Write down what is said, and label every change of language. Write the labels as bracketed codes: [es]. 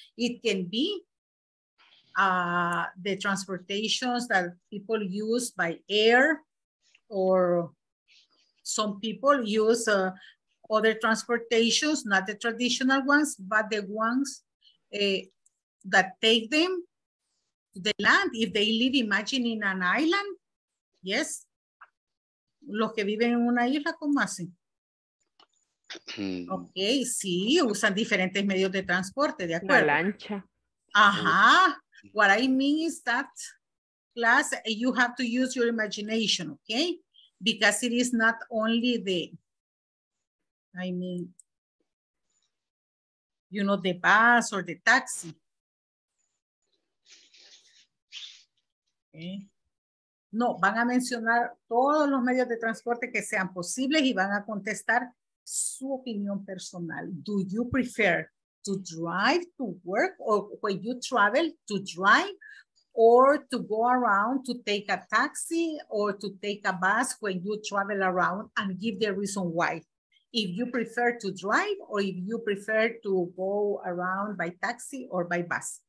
[en] It can be the transportations that people use by air, or some people use other transportations, not the traditional ones, but the ones that take them to the land. If they live, imagine, in an island, yes? [es] Los que viven en una isla, ¿cómo hacen? Okay, sí, usan diferentes medios de transporte, ¿de acuerdo? La lancha. Ajá. [en] What I mean is that, class, you have to use your imagination, okay? Because it is not only the, I mean, you know, the bus or the taxi. Okay. [es] No, van a mencionar todos los medios de transporte que sean posibles y van a contestar su opinión personal. [en] Do you prefer to drive to work or when you travel to drive or to go around to take a taxi or to take a bus when you travel around and give the reason why? If you prefer to drive or if you prefer to go around by taxi or by bus.